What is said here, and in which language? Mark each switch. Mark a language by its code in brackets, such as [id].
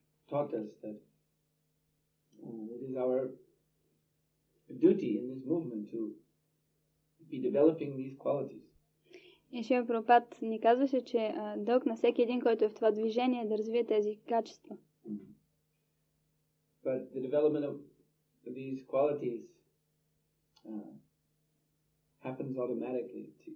[en] Taught us that it is our duty in this movement to be developing these qualities. [bg] И Шрила Прабхупад ни казваше, че дълг на всеки един, който е в това движение, е да развие тези качества. [en] But the development of these qualities happens automatically.